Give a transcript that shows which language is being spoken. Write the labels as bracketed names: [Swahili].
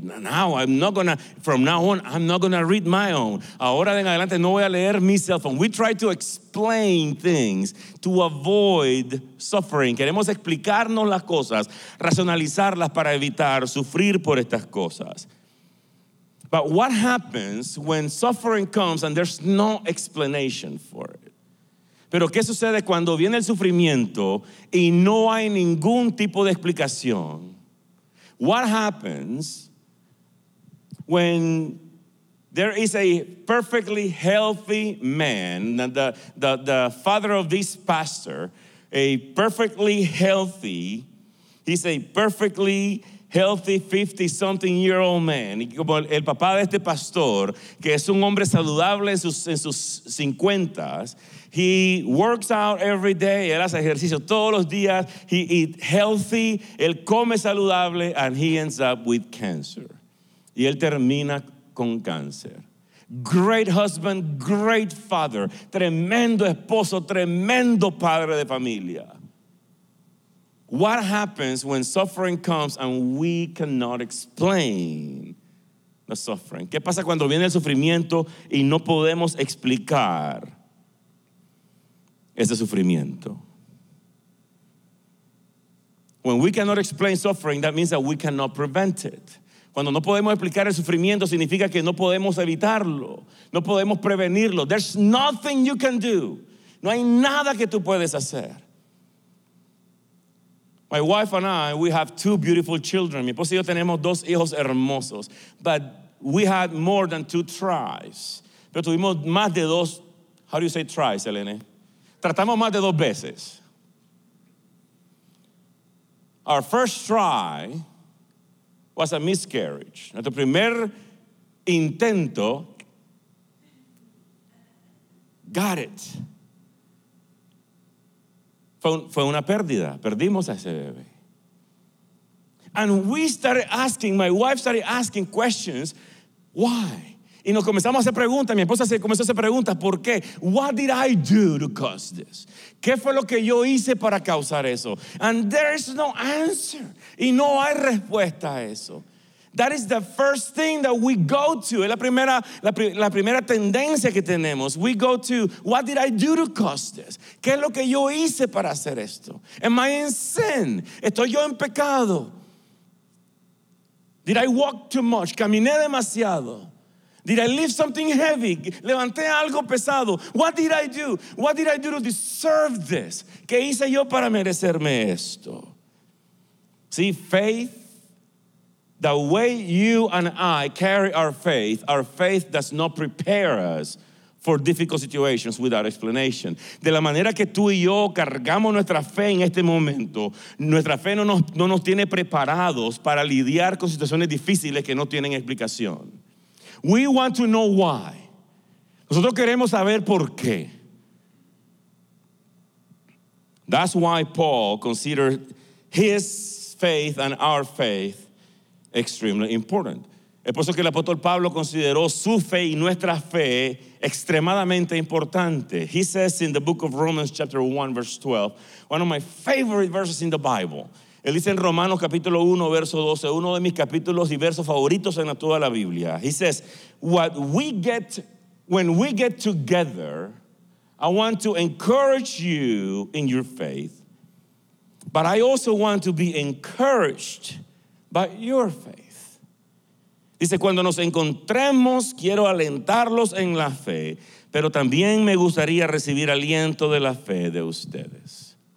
[English] Now I'm not gonna, from now on, I'm not gonna read my own. [Spanish] Ahora de en adelante no voy a leer mi cell phone. [English] We try to explain things to avoid suffering. [Spanish] Queremos explicarnos las cosas, racionalizarlas para evitar sufrir por estas cosas. [English] But what happens when suffering comes and there's no explanation for it? [Spanish] Pero ¿qué sucede cuando viene el sufrimiento y no hay ningún tipo de explicación? [English] What happens when there is a perfectly healthy man, the father of this pastor, a perfectly healthy 50-something year old man, [Spanish] y como el papá de este pastor, que es un hombre saludable en sus 50s, [English] he works out every day, [Spanish] él hace ejercicio todos los días, [English] he eats healthy, [Spanish] él come saludable, [English] and he ends up with cancer. [Spanish] Y él termina con cáncer. [English] Great husband, great father, [Spanish] tremendo esposo, tremendo padre de familia. [English] What happens when suffering comes and we cannot explain the suffering? [Spanish] ¿Qué pasa cuando viene el sufrimiento y no podemos explicar ese sufrimiento? [English] When we cannot explain suffering, that means that we cannot prevent it. [Spanish] Cuando no podemos explicar el sufrimiento, significa que no podemos evitarlo, no podemos prevenirlo. [English] There's nothing you can do. [Spanish] No hay nada que tú puedes hacer. [English] My wife and I, we have two beautiful children. [Spanish] Mi esposa y yo tenemos dos hijos hermosos. [English] But we had more than two tries. [Spanish] Pero tuvimos más de dos, [English] how do you say tries, Elena? [Spanish] Tratamos más de dos veces. [English] Our first try was a miscarriage. [Spanish] Nuestro primer intento, [English] got it. [Spanish] Fue una pérdida. Perdimos a ese bebé. [English] And we started asking, my wife started asking questions, why? [Spanish] Y nos comenzamos a hacer preguntas. Mi esposa se comenzó a hacer preguntas, ¿por qué? [English] What did I do to cause this? [Spanish] ¿Qué fue lo que yo hice para causar eso? [English] And there is no answer. [Spanish] Y no hay respuesta a eso. [English] That is the first thing that we go to. [Spanish] Es la primera tendencia que tenemos. [English] We go to, what did I do to cause this? [Spanish] ¿Qué es lo que yo hice para hacer esto? [English] Am I in sin? [Spanish] ¿Estoy yo en pecado? [English] Did I walk too much? [Spanish] ¿Caminé demasiado? [English] Did I lift something heavy? [Spanish] ¿Levanté algo pesado? [English] What did I do? What did I do to deserve this? [Spanish] ¿Qué hice yo para merecerme esto? [English] See, faith. The way you and I carry our faith does not prepare us for difficult situations without explanation. [Spanish] De la manera que tú y yo cargamos nuestra fe en este momento, nuestra fe no nos tiene preparados para lidiar con situaciones difíciles que no tienen explicación. [English] We want to know why. [Spanish] Nosotros queremos saber por qué. [English] That's why Paul considered his faith and our faith extremely important. [Spanish] Es por eso que el apóstol Pablo consideró su fe y nuestra fe extremadamente importante. [English] He says in the book of Romans chapter 1 verse 12, one of my favorite verses in the Bible. [Spanish] Él dice en Romanos capítulo 1 verso 12, uno de mis capítulos y versos favoritos en toda la Biblia. [English] He says, when we get together, I want to encourage you in your faith, but I also want to be encouraged by your faith. [Spanish] Dice, cuando nos encontremos, quiero alentarlos en la fe, pero también me gustaría recibir aliento de la fe de ustedes.